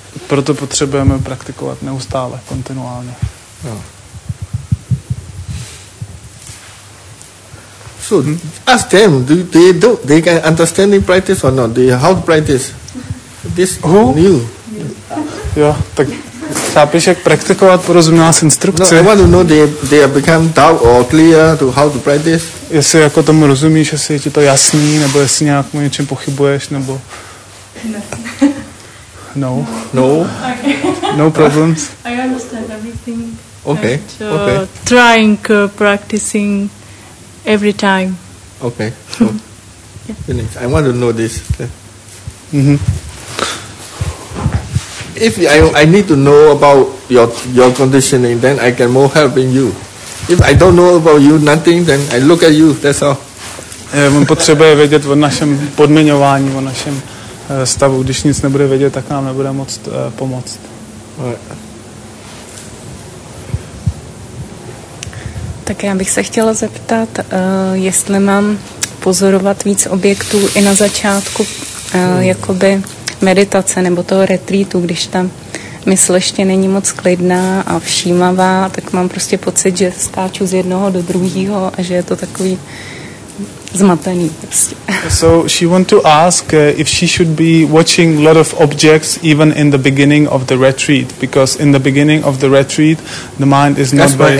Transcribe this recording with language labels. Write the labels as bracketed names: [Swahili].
[Czech] Proto potřebujeme praktikovat neustále, kontinuálně. No. [English] So, ask them, do they can understand the practice or not? How to practice? This who? New. [Czech] Jo, tak chápeš, jak praktikovat, porozuměla jsi instrukci. [English] No, I want to know they have become dull or clear to how to practice. [Czech] Jestli jako tomu rozumíš, jestli je ti to jasný, nebo jestli nějak o něčem pochybuješ, nebo... [English] No. No problems. I understand everything. Okay, okay. Trying, practicing every time. Okay, so... Yeah. I want to know this. Mm-hmm. if I need to know about your conditioning, then I can more help in you. If I don't know about you nothing, then I look at you, that's all. [Czech] On potřebuje vědět o našem podmiňování, o našem stavu. Když nic nebude vědět, tak nám nebude moc pomoct. Tak já bych se chtěla zeptat, jestli mám pozorovat víc objektů i na začátku jakoby meditace nebo toho retreatu, když ta mysl ještě není moc klidná a všímavá, tak mám prostě pocit, že skáču z jednoho do druhého a že je to takový zmatený prostě. [English] So she want to ask if she should be watching a lot of objects even in the beginning of the retreat, because in the beginning of the retreat the mind is not very,